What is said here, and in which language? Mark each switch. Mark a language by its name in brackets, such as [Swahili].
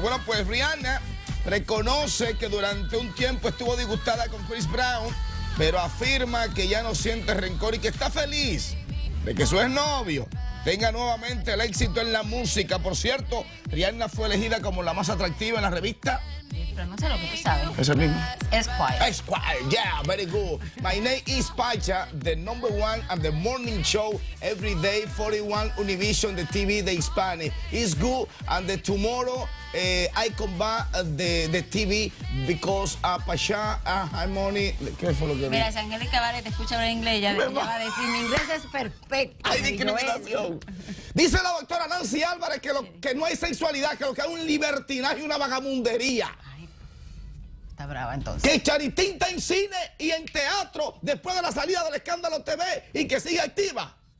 [Spanish] Bueno, pues Rihanna reconoce que durante un tiempo estuvo disgustada con Chris Brown, pero afirma que ya no siente rencor y que está feliz de que su exnovio tenga nuevamente el éxito en la música. Por cierto, Rihanna fue elegida como la más atractiva en la revista. Pero no sé lo que tú sabes. Es el mismo. Esquire. [English] Esquire, yeah, very good. My name is Pacha, the number one and the morning show every day, 41 Univision, the TV, the Hispanic. It's good, and the tomorrow I come back the TV because Pacha, I'm only... [Spanish] ¿Qué fue lo que mira, vi? Si Angélica Vale te escucha hablar inglés, ya va a decir, mi inglés es perfecto. Hay discriminación. Dice la doctora Nancy Álvarez que, que no hay sexualidad, que lo que hay es un libertinaje y una vagamundería. Brava, entonces. Que Charitín está en cine y en teatro después de la salida del escándalo TV y que sigue activa.